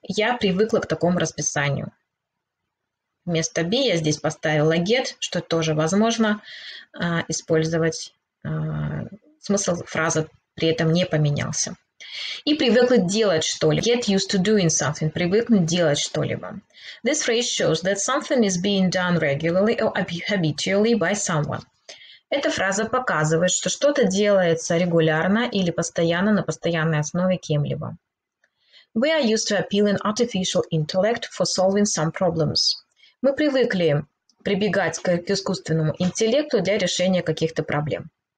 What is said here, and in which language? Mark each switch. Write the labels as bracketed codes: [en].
[ru] Я привыкла к такому расписанию. Вместо be я здесь поставила get, что тоже возможно использовать. Смысл фразы при этом не поменялся. И привыкла делать что-либо. [en] Get used to doing something. [ru] Привыкнуть делать что-либо. [en] This phrase shows that something is being done regularly or habitually by someone. [ru] Эта фраза показывает, что что-то делается регулярно или постоянно на постоянной основе кем-либо. [en] We are used to appealing artificial intellect for solving some problems. [ru] Мы привыкли прибегать к искусственному интеллекту для решения каких-то проблем.